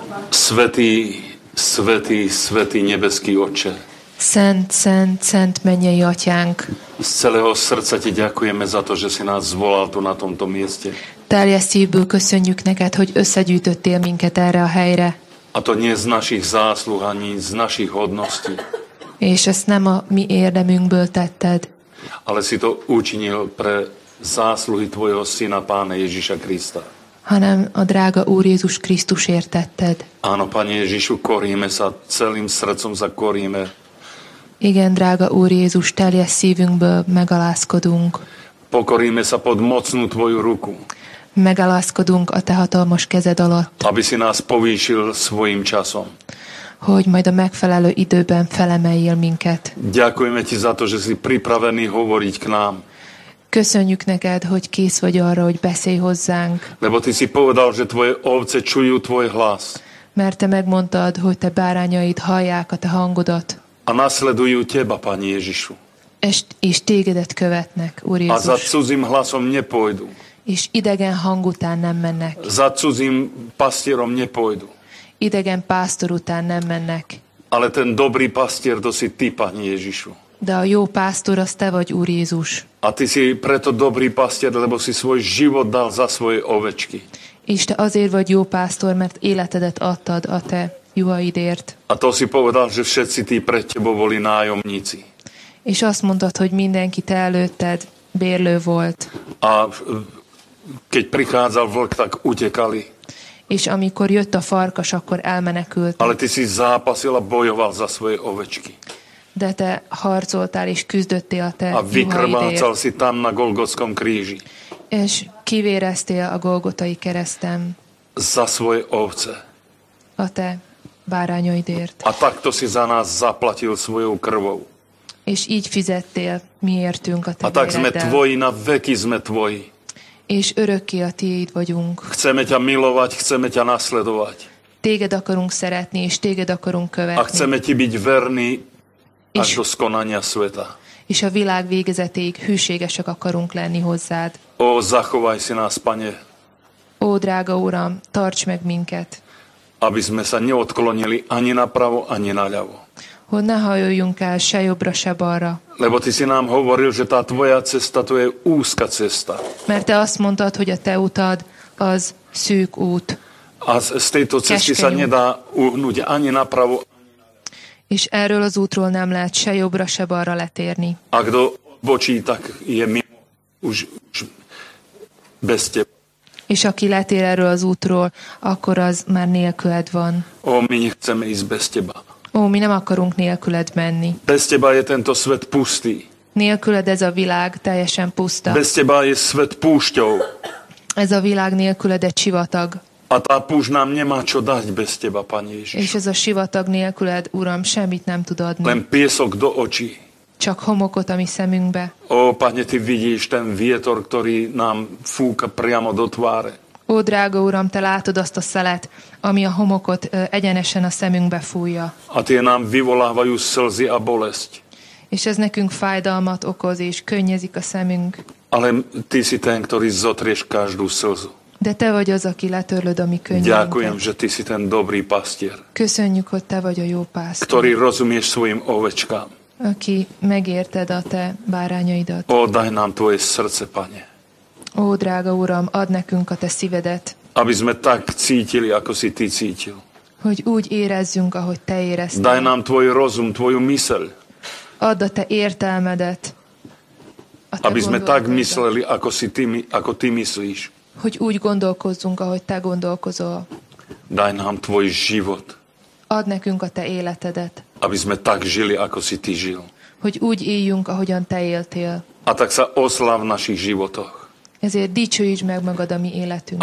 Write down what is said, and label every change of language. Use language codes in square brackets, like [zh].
[sk] Svätý, svätý, svätý nebeský Otče. [hu] Szent, szent, szent mennyei Atyánk. [sk] Z celého srdca ti ďakujeme za to, že si nás zvolal tu na tomto mieste. [hu] Teljes szívből köszönjük neked, hogy összegyűjtöttél minket erre a helyre. [sk] A to nie z našich zásluh, ani z našich hodností. [hu] És ezt nem a mi érdemünkből tetted. [sk] Ale si to učinil pre zásluhy tvojho syna, Pána Ježíša Krista. [hu] Hanem a drága Úr Jézus Krisztusért tetted. [sk] Áno, Pane Ježišu, koríme sa, celým srdcom sa koríme. [hu] Igen, drága Úr Jézus, teljes szívünkből megalázkodunk. [sk] Pokoríme sa pod mocnú tvoju ruku. [hu] Megalázkodunk a te hatalmas kezed alatt. [sk] Aby si nás povýšil svojim časom. [hu] Hogy majd a megfelelő időben felemeljél minket. [sk] Ďakujeme ti za to, že si pripravený hovoriť k nám. [hu] Köszönjük neked, hogy kész vagy arra, hogy beszélj hozzánk. [sk] Lebo ty si povedal, že tvoje ovce čujú tvoj hlas. [hu] Mert te megmondtad, hogy te bárányaid hallják a te hangodat. [sk] A nasledujú teba, Pani Ježišu. [hu] És tégedet követnek, Úr Jézus. [sk] A za cudzím hlasom nepôjdu. [hu] És idegen hang után nem mennek. [sk] Za cudzím pastierom nepôjdu. [hu] Idegen pásztor után nem mennek. [sk] Ale ten dobrý pastier, to si ty, Pani Ježišu. [hu] De a jó pásztor az te vagy, Úr Jézus. [sk] A ty si preto dobrý pastier, lebo si svoj život dal za svoje ovečky. [hu] És te azért vagy jó pásztor, mert életedet adtad a te juhaidért. [sk] A to si povedal, že všetci tí pred tebou boli nájomníci. [hu] És azt mondtad, hogy mindenki te előtted bérlő volt. [sk] A keď prichádzal vlk, tak utekali. [hu] És amikor jött a farkas, akkor elmenekült. [sk] Ale ty si zápasil a bojoval za svoje ovečky. [hu] De te harcoltál és küzdöttél a te juhaidért. [sk] A vykrvácal si tam na Golgotskom kríži. [hu] És kivéreztél a Golgotai keresztem. [sk] Za svoje ovce. [hu] A te bárányaidért. [sk] A takto si za nás zaplatil svojou krvou. [hu] És így fizettél miértünk a te véreddel. [sk] A tak sme tvoji, na veky sme tvoji. [hu] És örökké a tiéd vagyunk. [sk] Chceme ťa milovať, chceme ťa nasledovať. [hu] Téged akarunk szeretni, és téged akarunk követni. [sk] A chceme ti byť verní, až do skonania sveta. [hu] És a világ végezetéig hűségesek akarunk lenni hozzád. [sk] Ó, zachovaj si nás, Pane. [hu] Ó, drága Uram, tarts meg minket. [sk] Aby sme sa neodklonili ani napravo, ani naľavo. [hu] Hogy ne hajoljunk el se jobbra, se balra. [sk] Lebo ty si nám hovoril, že tá tvoja cesta, to je úzka cesta. [hu] Mert te azt mondtad, hogy a te utad az szűk út. [sk] A z tejto cesty sa nedá uhnúť ani napravo, [hu] és erről az útról nem lehet se jobbra, se balra letérni. [sk] A kdo bočí, tak je mimo, už bez teba. [hu] És aki letér erről az útról, akkor az már nélküled van. [sk] Ó, mi nechceme ísť bez teba. [hu] Ó, mi nem akarunk nélküled menni. [sk] Bez teba je tento svet pustý. [hu] Nélküled ez a világ teljesen puszta. [sk] Bez teba je svet púšťou. [hu] Ez a világ nélküled egy sivatag. [sk] A tá púšť nám nemá čo dať bez teba, Pane Ježišu. [hu] És ez a sivatag nélküled, Uram, semmit nem tud adni. [sk] Len piesok do očí. [hu] Csak homokot a mi szemünkbe. [sk] Ó, Pane, ty vidíš ten vietor, ktorý nám fúka priamo do tváre. [hu] Ó, drága Uram, te látod azt a szelet, ami a homokot egyenesen a szemünkbe fújja. [sk] A tie nám vyvolávajú slzy a bolesť. [hu] És ez nekünk fájdalmat okoz, és könnyezik a szemünk. [sk] Ale ty si ten, ktorý zotrieš každú slzu. [hu] De te vagy az, aki letörlöd a mi könnyeinket. [sk] Ďakujem, že ty si ten dobrý pastier. [hu] Köszönjük, hogy te vagy a jó pásztor. [sk] Ktorý rozumieš svojim ovečkám. [hu] Aki megérted a te bárányaidat. [sk] Ó, daj nám tvoje srdce, Pane. [hu] Ó, drága Uram, ad nekünk a te szívedet. [sk] Aby sme tak cítili, ako si ty cítil. [hu] Hogy úgy érezzünk, ahogy te éreztél. [sk] Daj nám tvoj rozum, tvoju myseľ. [hu] Add a te értelmedet. [sk] A te aby sme tak mysleli, ako si ty, ako ty myslíš. [hu] Hogy úgy gondolkozzunk, ahogy te gondolkozol. [sk] Daj nám tvoj život. [hu] Add nekünk a te életedet. [sk] Aby sme tak žili, ako si ty žil. [hu] Hogy úgy éljünk, ahogyan te éltél. [sk] A tak sa oslav v našich životoch. [hu] Ezért dicsőítsd meg magad a mi életünkben.